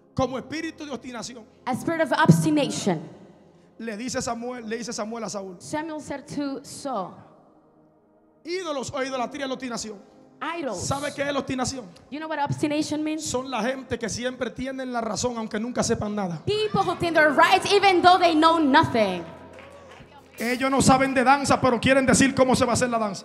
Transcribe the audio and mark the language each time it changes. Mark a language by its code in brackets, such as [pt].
[es] Como espíritu de obstinación. [en] A spirit of obstination. [es] Le dice Samuel, a Saúl. [en] Samuel said to Saul. [es] Ídolos o idolatría es obstinación. [en] Idols. [es] ¿Sabe qué es la obstinación? [en] You know what obstination means? [es] Son la gente que siempre tienen la razón aunque nunca sepan nada. [en] People who think they're right even though they know nothing. [es] Ellos no saben de danza pero quieren decir cómo se va a hacer la danza.